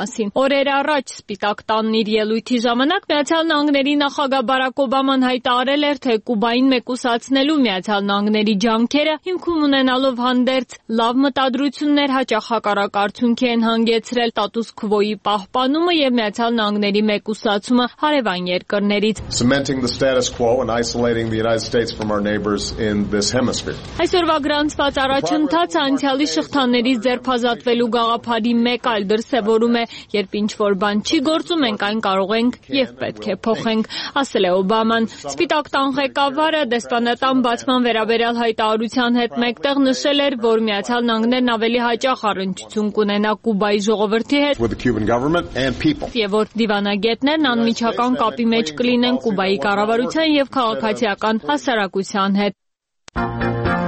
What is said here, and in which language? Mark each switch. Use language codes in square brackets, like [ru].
[hy] մասին։ Օրեր առաջ Սպիտակ տանն իր ելույթի ժամանակ Միացյալ Նահանգների նախագահ Բարակ Օբաման հայտարել էր, թե Կուբային մեկուսացնելու Միացյալ Նահանգների ջանքերը հիմքում ունենալով հանդերձ լավ մտադրություններ հաճախ հակառակ արդյունքի են հանգեցրել ստատուս քվոյի պահպանումը եւ Միացյալ Նահանգների մեկուսացումը հարևան երկրներից։ [en] Cementing the status quo and isolating the United States from our neighbors in this hemisphere. [hy] Այսօրվա գրանցված առաջընթաց անցյալի շղթաններից ձերբազատվելու գաղափարի մեկ այլ դրսևորում է, երբ ինչ-որ բան չի գործում, մենք այն կարող ենք եւ պետք է փոխենք, ասել է Օբաման։ Սպիտակ տան ղեկավարը դեսպանատան բացման վերաբերյալ հայտարարության հետ մեկտեղ նշել էր, որ Միացյալ Նահանգներն ավելի հաճախ առնչություն կունենա Կուբայի ժողովրդի հետ եւ որ դիվանագետներն անմիջական կապի մեջ կլինեն Կուբայի կառավարության եւ քաղաքացիական հասարակության հետ։